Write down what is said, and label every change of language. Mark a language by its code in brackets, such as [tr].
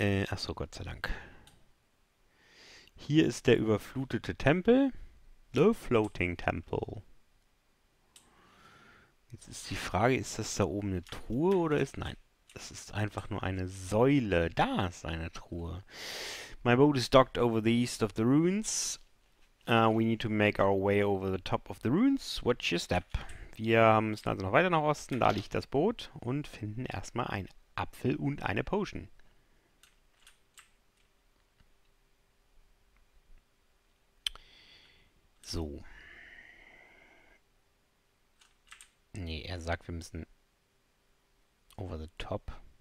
[de] Achso, Gott sei Dank. Hier ist der überflutete Tempel. [en] The Floating Temple. [de] Jetzt ist die Frage, ist das da oben eine Truhe oder ist... Nein. Es ist einfach nur eine Säule. Da ist eine Truhe. [en] My boat is docked over the east of the ruins. We need to make our way over the top of the ruins. Watch your step. [de] Wir müssen also noch weiter nach Osten. Da liegt das Boot. Und finden erstmal einen Apfel und eine Potion. So. Nee, er sagt, wir müssen... [en] Over the top.